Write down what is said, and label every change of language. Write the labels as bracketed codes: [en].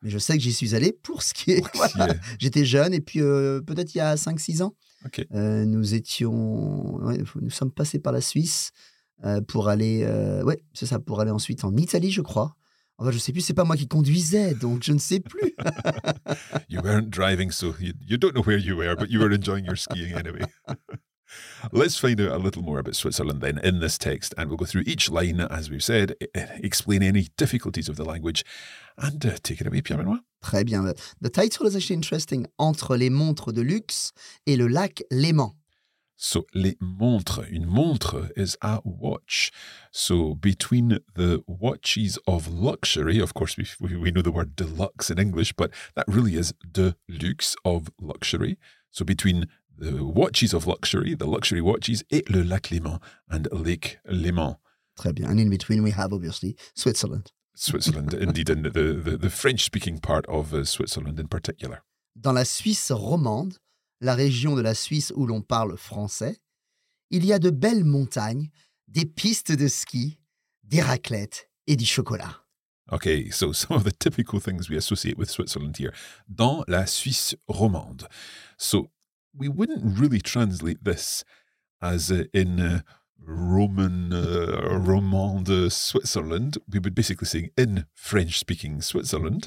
[fr] Mais je sais que j'y suis allé pour skier. Pour skier. Voilà. J'étais jeune et puis peut-être il y a 5-6 ans, okay. Nous sommes passés par la Suisse pour aller, pour aller ensuite en Italie je crois. Enfin, je ne sais plus, ce n'est pas moi qui conduisais, donc je ne sais plus. [en] You weren't driving, so you don't know where you were, but you were enjoying your skiing anyway. Let's find out a little more about Switzerland then in this text, and we'll go through each line, as we've said, explain any difficulties of the language, and take it away, Pierre-Benoît. [fr] Très bien. [en] The title is actually interesting, [fr] Entre les montres de luxe et le lac Léman. [en] So, les montres. Une montre is a watch. So, between the watches of luxury, of course, we know the word deluxe in English, but that really is de luxe, of luxury. So, between the watches of luxury, the luxury watches, [fr] et le lac Léman, [en] and Lake Léman. [fr] Très bien. [en] And in between, we have, obviously, Switzerland. Switzerland, indeed, and the French-speaking part of Switzerland in particular. [fr] Dans la Suisse romande, la région de la Suisse où l'on parle français, il y a de belles montagnes, des pistes de ski, des raclettes et du chocolat. [en] Okay, so some of the typical things we associate with Switzerland here. [fr] Dans la Suisse romande. [en] So, we wouldn't really translate this as in romande Switzerland. We would basically say in French-speaking Switzerland.